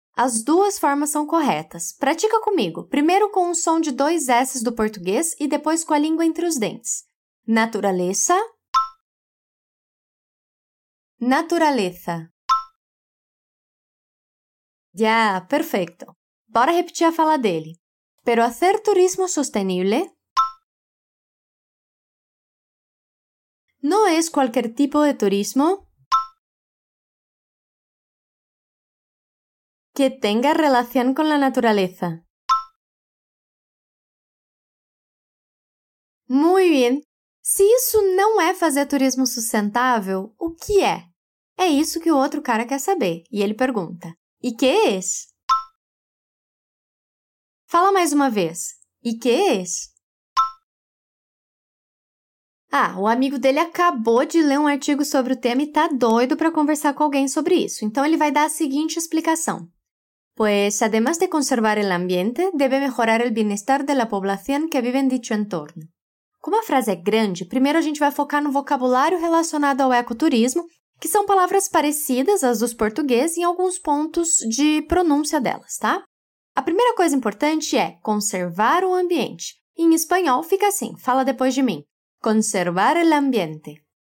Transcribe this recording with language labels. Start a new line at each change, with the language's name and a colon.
Portuguese: As duas formas são corretas. Pratica comigo. Primeiro com o som de dois S's do português e depois com a língua entre os dentes. Natureza. Natureza.
Spanish: Ya, perfecto.
Portuguese: Bora repetir a fala dele.
Spanish: Pero hacer turismo sostenible no es cualquier tipo de turismo que tenga relación con la naturaleza. Muy bien. Si eso no es hacer turismo sustentable, ¿qué es? Es eso que el otro cara quiere saber. Y él pregunta, ¿y qué es?
Portuguese: Fala mais uma vez. E que é esse? Ah, o amigo dele acabou de ler um artigo sobre o tema e tá doido para conversar com alguém sobre isso. Então, ele vai dar a seguinte explicação.
Spanish: Pues, además de conservar el ambiente, debe mejorar el bienestar de la población que vive en dicho entorno.
Portuguese: Como a frase é grande, primeiro a gente vai focar no vocabulário relacionado ao ecoturismo, que são palavras parecidas às dos portugueses em alguns pontos de pronúncia delas, tá? A primeira coisa importante é conservar o ambiente. Em espanhol fica assim, fala depois de mim.
Spanish: Conservar el ambiente.